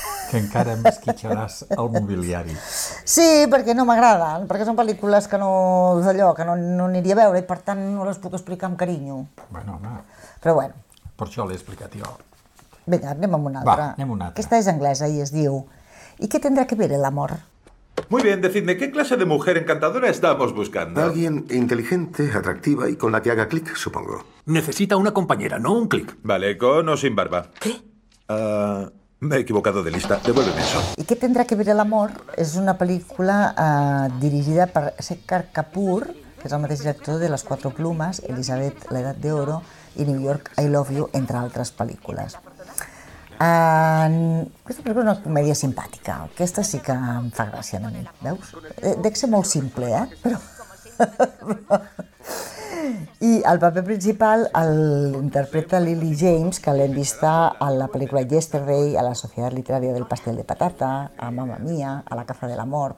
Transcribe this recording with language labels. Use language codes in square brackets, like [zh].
[ca] Que encara m'esquitxaràs el mobiliari. Sí, perquè no m'agraden, perquè són pel·lícules que no... d'allò, que no aniria a veure i per tant no les puc explicar amb carinyo. Bueno, home. Però bueno. Per això l'he explicat jo. Vinga, anem amb una altra. Va, anem una altra. Aquesta és anglesa i es diu... [es] ¿Y qué tendrá que ver el amor? Muy bien, decidme, ¿qué clase de mujer encantadora estamos buscando? Alguien inteligente, atractiva y con la que haga clic, supongo. Necesita una compañera, no un clic. Vale, con o sin barba. ¿Qué? Me he equivocado de lista, devuélveme eso. ¿Y qué tendrá que ver el amor? Es una película dirigida por Shekhar Kapoor, que es [ca] el mateix [es] director de Las Cuatro Plumas, Elizabeth, La Edad de Oro y New York, I Love You, entre otras películas. [ca] Aquesta és una comèdia simpàtica. Aquesta sí que em fa gràcia a mi, veus? Dec ser molt simple, eh? Però... I el paper principal l'interpreta Lily James, que l'hem vist a la pel·lícula Yesterday, a la Societat Literària del Pastel de Patata, a Mamma Mia, a La Caza de l'Amor...